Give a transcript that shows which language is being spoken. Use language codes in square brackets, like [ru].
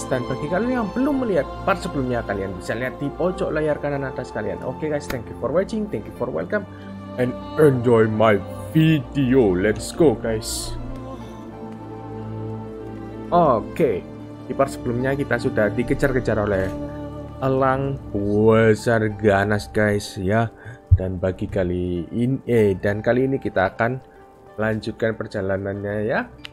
[id] Dan bagi kalian yang belum melihat part sebelumnya, kalian bisa lihat di pojok layar kanan atas kalian. [en] Oke guys, thank you for watching, thank you for welcome, and enjoy my video. Let's go guys. [id] Oke, di part sebelumnya kita sudah dikejar-kejar oleh elang besar ganas guys ya. Dan bagi kali ini dan kali ini kita akan lanjutkan perjalanannya ya.